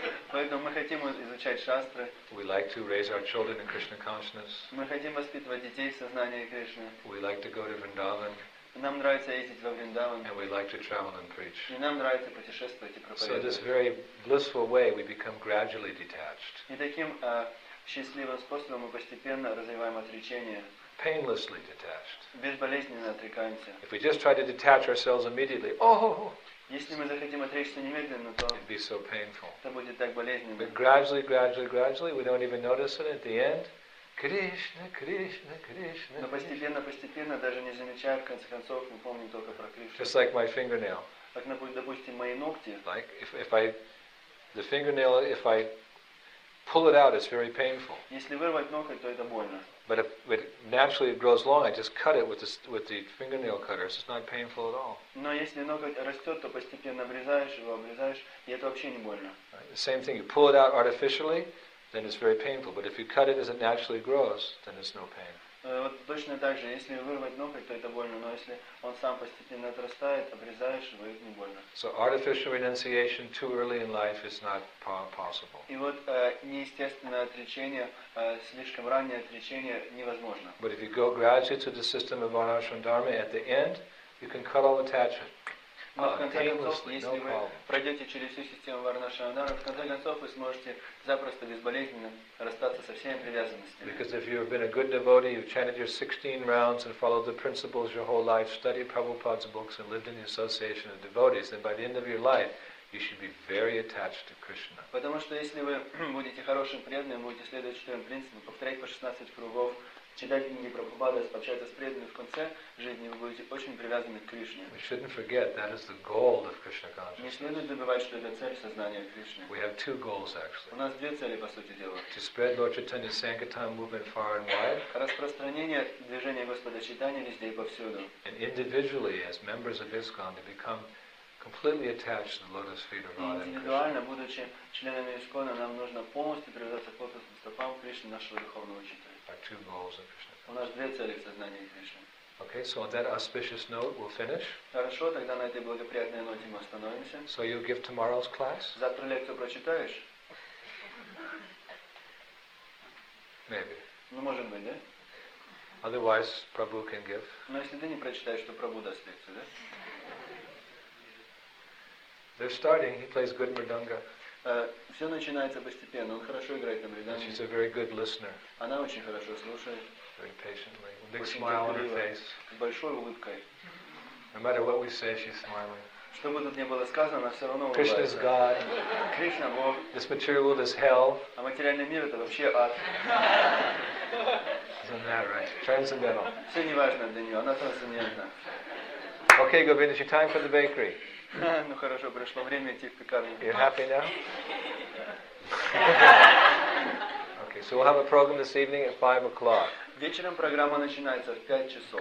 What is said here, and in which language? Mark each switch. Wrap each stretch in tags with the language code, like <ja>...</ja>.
<ru>Поэтому мы хотим изучать Шастры.</ru> <en>We like to raise our children in Krishna consciousness.</en> <ru>Мы хотим воспитывать детей в сознании Кришны.</ru> <en>We like to go to Vrindavan.</en> <ru>Нам нравится ездить во Вриндаван.</ru> <en>And we like to travel and preach.</en> <ru>И нам нравится путешествовать и проповедовать.</ru> <en>So in this very blissful way, we become gradually detached.</en> <ru>И таким счастливым способом мы постепенно развиваем отречение.</ru> <en>Painlessly detached.</en> <ru>Безболезненно отрекаемся.</ru> <en>If we just try to detach ourselves immediately, oh!</en> <ru>Если мы захотим отречься немедленно, то</ru> <en>it'd be so painful.</en> <ru>Это будет так болезненно.</ru> <en>But gradually, gradually, gradually, we don't even notice it at the end. Krishna, Krishna, Krishna.</en> <ru>Но постепенно, постепенно, даже не замечая, в конце концов, мы помним только про Кришну.</ru> <en>Just like my fingernail.</en> <ru>Как, допустим, мои ногти.</ru> <en>Like the fingernail, if I pull it out, it's very painful.</en> <ru>Если вырвать ноготь, то это больно.</ru> <en>But if naturally it grows long, I just cut it with the fingernail cutter. It's not painful at all.</en> <ru>Но если ноготь растет, то постепенно обрезаешь его, обрезаешь, и это вообще не больно.</ru> <en>Right. The same thing. You pull it out artificially, then it's very painful. But if you cut it as it naturally grows, then it's no pain.</en> <ru>Вот точно так же, если вырвать ноготь, то это больно, но если он сам постепенно отрастает, обрезаешь его, это не больно.</ru> <en>So artificial renunciation too early in life is not possible.</en> <ru>И вот неестественное отречение, слишком раннее отречение невозможно.</ru> <en>But if you go gradually to the system of Vanashram Dharma, at the end, you can cut all attachment.</en> <ru>Но в конце концов, если вы пройдете через всю систему Варнашрамадхармы, в конце концов вы сможете запросто, безболезненно расстаться со всеми привязанностями.</ru> <en>Because if you have been a good devotee, you've chanted your 16 rounds and followed the principles your whole life, studied Prabhupada's books and lived in the association of devotees, then by the end of your life, you should be very attached to Krishna.</en> <ru>Потому что если вы будете хорошим преданным, будете следовать четырем принципам, повторять по 16 кругов, читать книги Прабхупады, общаться с преданными, в конце жизни вы будете очень привязаны к Кришне.</ru> <en>We shouldn't forget that is the goal of Krishna consciousness.</en> <ru>Не следует забывать, что это цель сознания Кришны.</ru> <en>We have two goals actually.</en> <ru>У нас две цели, по сути дела.</ru> <en>To spread Lord Chaitanya Sankirtan movement far and wide.</en> <ru>Распространение движения Господа Читания везде и повсюду.</ru> <en>And individually, as members of ISKCON, to become completely attached to the lotus feet of Radha and Krishna.</en> <ru>Индивидуально, будучи членами ИСКОНа, нам нужно полностью привязаться к лотосным стопам Кришны, нашего духовного учителя.</ru> <en>Our two goals of Krishna.</en> <ru>У нас две цели в сознании Кришны.</ru> <en>Okay, so on that auspicious note, we'll finish.</en> <ru>Хорошо, тогда на этой благоприятной ноте мы остановимся.</ru> <en>So you give tomorrow's class?</en> <ru>Завтра лекцию прочитаешь?</ru> <en>Maybe.</en> <ru>Ну, может быть, да?</ru> <en>Otherwise, Prabhu can give.</en> <ru>Но если ты не прочитаешь, то Прабху даст лекцию, да?</ru> <en>They're starting. He plays good mridanga.</en> <ru>Все начинается постепенно. Он хорошо играет на мриданге.</ru> <en>She's a very good listener.</en> <ru>Она очень хорошо слушает.</ru> <en>Very patiently. Big smile on her face.</en> <ru>С большой улыбкой.</ru> <en>No matter what we say, she's smiling.</en> <ru>Что бы тут ни было сказано, она все равно улыбается.</ru> <en>Krishna's God.</en> <ru>Кришна Бог.</ru> <en>This material world is hell.</en> <ru>А материальный мир это вообще ад.</ru> <en>Isn't that right? Transcendental.</en> <ru>Все неважно для нее. Она трансцендентна.</ru> <en>Okay, Govinda, it's time for the bakery.</en> <ru>Ну хорошо, пришло время идти в пекарню.</ru> <en>You're happy now? Okay, so we'll have a program this evening at 5 o'clock.</en> <ru>Вечером программа начинается в 5 часов.</ru>